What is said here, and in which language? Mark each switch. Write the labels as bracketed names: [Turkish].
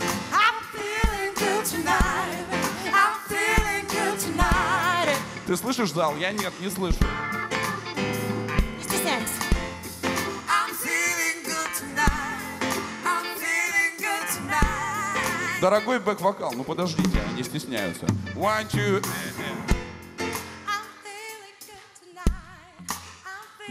[English] I'm feeling good tonight. I'm feeling good tonight. [Russian] Ты слышишь зал? Я нет, не слышу. [English] I'm feeling good tonight. I'm feeling good tonight. [Russian] Дорогой бэк-вокал, ну подождите, они стесняются. [English] One, two. I'm feeling good tonight.